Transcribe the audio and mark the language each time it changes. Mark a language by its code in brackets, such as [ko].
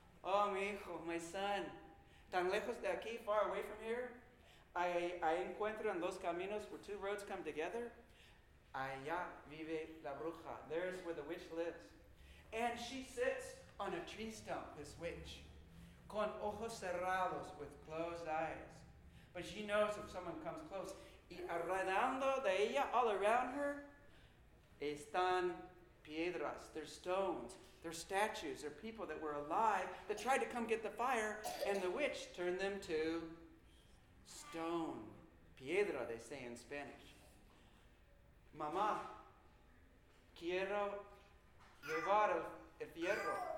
[es] Oh, mi hijo, my son, tan lejos de aquí, far away from here, I encuentro en dos caminos where two roads come together, allá vive la bruja. [en] There's where the witch lives. And she sits on a tree stump, this witch, con ojos cerrados, with closed eyes. But she knows if someone comes close. [es] Y alrededor de ella, all around her, están piedras. [en] They're stones. They're statues. They're people that were alive that tried to come get the fire, and the witch turned them to stone. [es] Piedra, they say in Spanish. Mamá, quiero llevar el fierro.